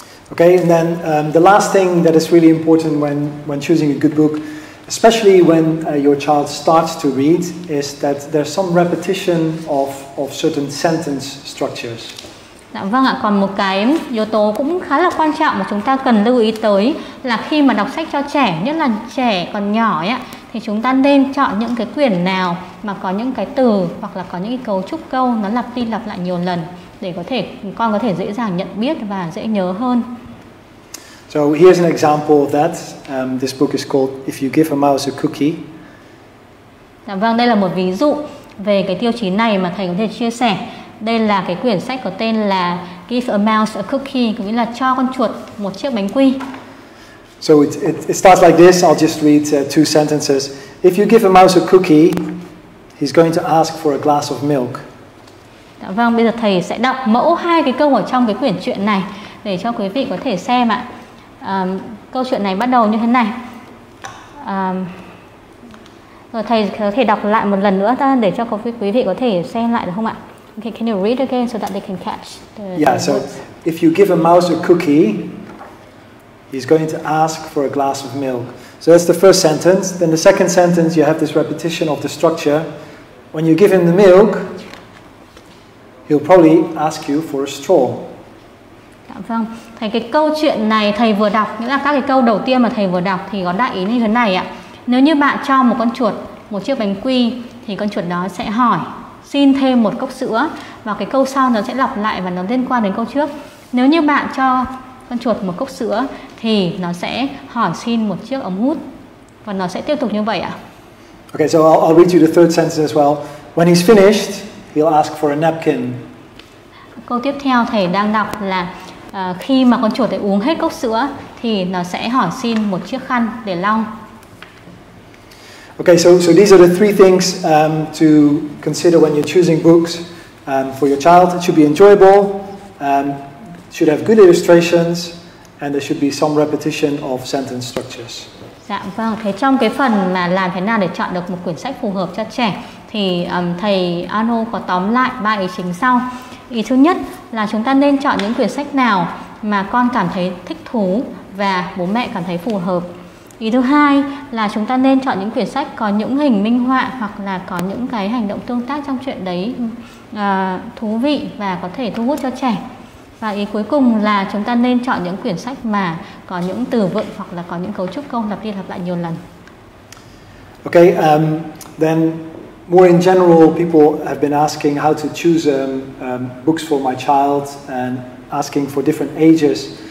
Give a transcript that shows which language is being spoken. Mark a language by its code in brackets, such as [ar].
[en] Okay, and then the last thing that is really important when choosing a good book especially when your child starts to read, is that there's some repetition of certain sentence structures. [vi] Dạ vâng ạ, còn một cái yếu tố cũng khá là quan trọng mà chúng ta cần lưu ý tới là khi mà đọc sách cho trẻ, nhất là trẻ còn nhỏ ấy, thì chúng ta nên chọn những cái quyển nào mà có những cái từ hoặc là có những cái cấu trúc câu nó lặp đi lặp lại nhiều lần để có thể con có thể dễ dàng nhận biết và dễ nhớ hơn. [en] So here's an example of that. This book is called If You Give a Mouse a Cookie. [vi] Dạ vâng, đây là một ví dụ về cái tiêu chí này mà thầy có thể chia sẻ. Đây là cái quyển sách có tên là Give a Mouse a Cookie, có nghĩa là cho con chuột một chiếc bánh quy. [en] So it starts like this. I'll just read two sentences. If you give a mouse a cookie, he's going to ask for a glass of milk. [vi] Dạ vâng, bây giờ thầy sẽ đọc mẫu hai cái câu ở trong cái quyển truyện này để cho quý vị có thể xem ạ. Câu chuyện này bắt đầu như thế này. Rồi thầy có thể đọc lại một lần nữa ta để cho quý vị có thể xem lại được không ạ? [en] Okay, can you read again so that they can catch the Yeah, so if you give a mouse a cookie, he's going to ask for a glass of milk. So that's the first sentence. Then the second sentence, you have this repetition of the structure. When you give him the milk, he'll probably ask you for a straw. [vi] Dạ vâng, thầy cái câu chuyện này thầy vừa đọc, nghĩa là các cái câu đầu tiên mà thầy vừa đọc thì có đại ý như thế này ạ. Nếu như bạn cho một con chuột một chiếc bánh quy thì con chuột đó sẽ hỏi xin thêm một cốc sữa, và cái câu sau nó sẽ lặp lại và nó liên quan đến câu trước. Nếu như bạn cho con chuột một cốc sữa thì nó sẽ hỏi xin một chiếc ống hút, và nó sẽ tiếp tục như vậy ạ. [en] Okay, so I'll read you the third sentence as well. When he's finished, he'll ask for a napkin. [vi] Câu tiếp theo thầy đang đọc là khi mà con chuột ấy uống hết cốc sữa thì nó sẽ hỏi xin một chiếc khăn để lau. [en] Okay, so these are the three things to consider when you're choosing books for your child. It should be enjoyable, should have good illustrations, and there should be some repetition of sentence structures. [vi] Dạ vâng, thế trong cái phần mà làm thế nào để chọn được một quyển sách phù hợp cho trẻ thì thầy Ano có tóm lại ba ý chính sau. Ý thứ nhất là chúng ta nên chọn những quyển sách nào mà con cảm thấy thích thú và bố mẹ cảm thấy phù hợp. Ý thứ hai là chúng ta nên chọn những quyển sách có những hình minh họa hoặc là có những cái hành động tương tác trong chuyện đấy thú vị và có thể thu hút cho trẻ. Và ý cuối cùng là chúng ta nên chọn những quyển sách mà có những từ vựng hoặc là có những cấu trúc câu lặp đi lặp lại nhiều lần. [en] Okay, then more in general, people have been asking how to choose books for my child and asking for different ages.